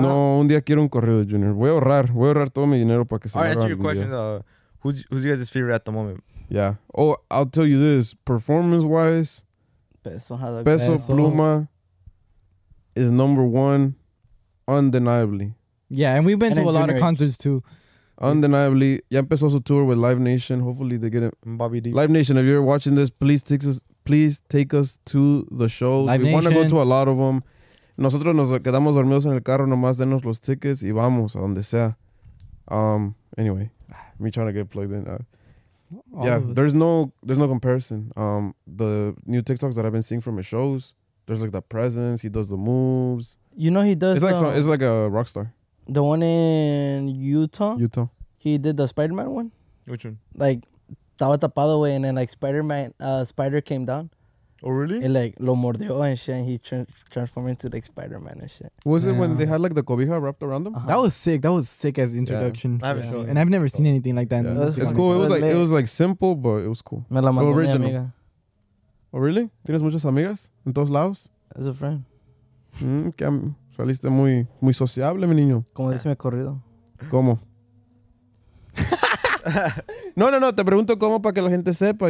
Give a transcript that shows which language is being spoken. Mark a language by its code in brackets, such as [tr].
[es] no, un día quiero un corrido, Junior. Voy a ahorrar. Voy a ahorrar todo mi dinero para que se me. [en] All right, answer your question. Who's your guys' favorite at the moment? Yeah. Oh, I'll tell you this. Performance wise, Peso Pluma is number one. Undeniably. Yeah, and we've been to a lot of concerts too. Undeniably. [es] Ya empezó su tour [en] with Live Nation. Hopefully they get it. Bobby D. Live Nation, if you're watching this, please take us to the shows. Live we want to go to a lot of them. [es] Nosotros nos quedamos dormidos en el carro, nomás denos los tickets y vamos a donde sea. [en] Anyway, me trying to get plugged in. There's no comparison. The new TikToks that I've been seeing from his shows, there's like the presence, he does the moves. You know he does. It's like it's like a rock star. The one in Utah. He did the Spider-Man one. Which one? Like, [es] estaba tapado, [en] and then like Spider came down. Oh really? And like [es] lo mordió [en] and shit, and he transformed into like Spider-Man and shit. Was it when they had like the cobija wrapped around them? Uh-huh. That was sick. That was sick as introduction. Yeah. I haven't seen it. And I've never seen anything like that. Yeah. It's cool. It was like simple, but it was cool. [es] Me la mandó mi amiga. [en] Oh really? [es] Tienes muchas amigas en todos lados. [en] As a friend. [es] Que saliste muy, muy sociable, mi niño. Como dice mi corrido. ¿Cómo? No, te pregunto cómo para que la gente sepa.